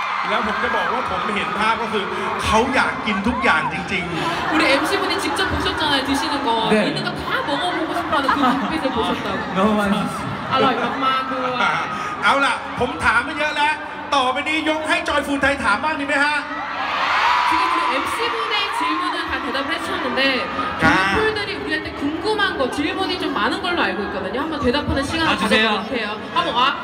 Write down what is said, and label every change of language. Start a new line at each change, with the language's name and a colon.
Thai: แล้วผมจะบอกว่าผมเห็นภาพก็คือเขาอยากกินทุกอย่างจริงๆ우리
Korean: MC 분이 직접 보셨잖아요 드시는 거 네. 있는 거 다 먹어보고 싶다는 그 눈빛을 보셨다고 너무 맛있어 아, 맛있어
Thai: เอาล่ะ ผมถามมาเยอะแล้วต่อไปนี้ยกให้ Joy Food Thai ถามบ้างดีไหมฮะ
Korean: 지금 우리 MC 분의 질문을 다 대답을 해주셨는데 조이풀들이 우리한테 궁금한 거 질문이 좀 많은 걸로 알고 있거든요 한번 대답하는 시간을 가져볼게요 한번 와